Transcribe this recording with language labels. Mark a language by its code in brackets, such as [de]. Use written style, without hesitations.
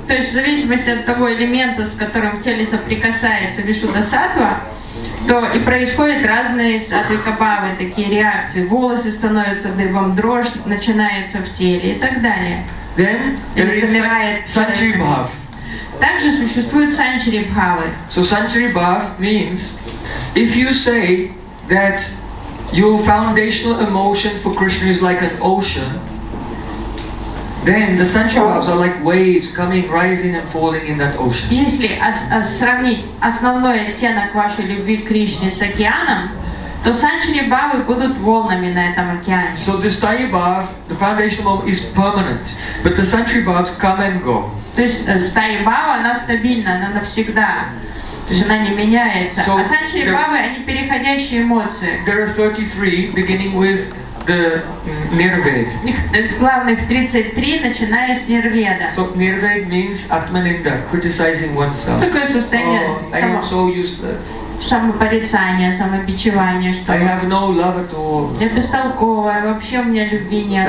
[ru] То есть в зависимости от того элемента, с которым в теле соприкасается Вишудасатва, то и происходят разные сатвикабавы, такие реакции. Волосы становятся дыбом, дрожь начинается в теле и так далее. [en] Then there is Sanchari Bhav. [ru] Также существуют Sanchari Bhavы. [en] So Sanchari Bhav means, if you say that your foundational emotion for Krishna is like an ocean, then the sanchari bhavs are like waves coming, rising and falling in that ocean. [ru] Если сравнить основной оттенок вашей любви к Кришне с океаном, то sanchari bhavы будут волнами на этом океане. [en] So the sthayi bhav, the foundational bhav, is permanent, but the sanchari bhavs come and go. [ru] То есть sthayi bhava, она стабильна, она навсегда. То есть она не меняется. So а sanchari bhavы, они переходящие эмоции. [en] There are 33, beginning with the Nirved. [ru] Главных 33, начиная с Нирведа. [en] So Nirved means Atmaninda, criticizing oneself. [ru] Такое состояние. [en] Oh, I am so useless. [ru] Самопорицание, самобичевание, что. [en] I have no love at all. [ru] Я бестолковая, вообще у меня любви нет.